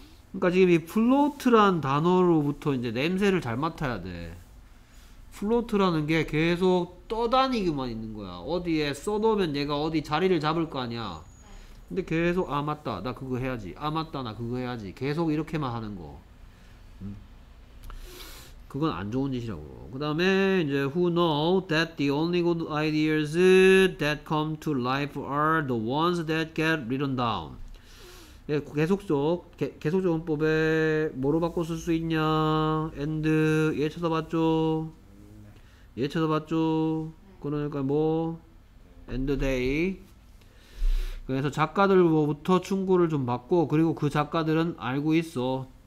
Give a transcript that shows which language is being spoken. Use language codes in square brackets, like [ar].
[ko] 그러니까 지금 이 플로트란 단어로부터 이제 냄새를 잘 맡아야 돼. 플로트라는 게 계속 떠다니기만 있는 거야. 어디에 써놓으면 얘가 어디 자리를 잡을 거 아니야. 근데 계속 아 맞다 나 그거 해야지, 아 맞다 나 그거 해야지 계속 이렇게만 하는 거. 그건 안 좋은 짓이라고. 그 다음에 이제 [en] who know that the only good ideas that come to life are the ones that get written down. [ko] 계속 적용법에 뭐로 바꿔 쓸 수 있냐? and 얘 찾아봤죠? 얘 찾아봤죠? 그러니까 뭐? [en] and they. [ko] 그래서 작가들부터 충고를 좀 받고 그리고 그 작가들은 알고 있어.